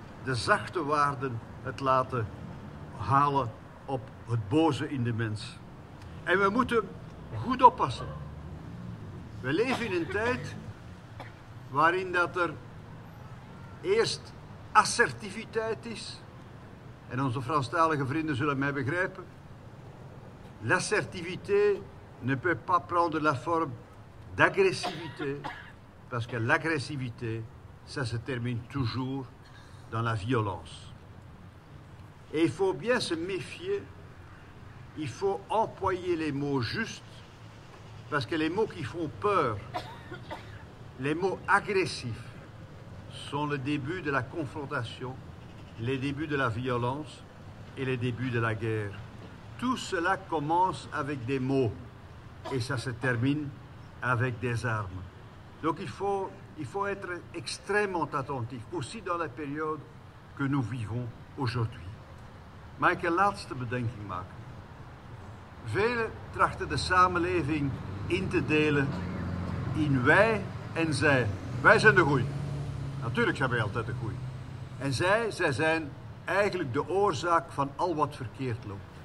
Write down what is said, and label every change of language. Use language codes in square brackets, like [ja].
[nl] De zachte waarden het laten halen op het boze in de mens. En we moeten goed oppassen. We leven in een tijd waarin dat er eerst assertiviteit is. En onze Franstalige vrienden zullen mij begrijpen. [fr] L'assertivité ne peut pas prendre la forme d'agressivité. Parce que l'agressivité, ça se termine toujours dans la violence. Et il faut bien se méfier. Il faut employer les mots justes. Parce que les mots qui font peur, les mots agressifs, sont le début de la confrontation, les débuts de la violence et les débuts de la guerre. Tout cela commence avec des mots et ça se termine avec des armes. Donc il faut être extrêmement attentif, aussi dans la période que nous vivons aujourd'hui. [nl] Mag ik een laatste bedenking maken? Velen trachten de samenleving in te delen in wij en zij. Wij zijn de goeie. Natuurlijk zijn wij altijd de goeie. En zij zijn eigenlijk de oorzaak van al wat verkeerd loopt.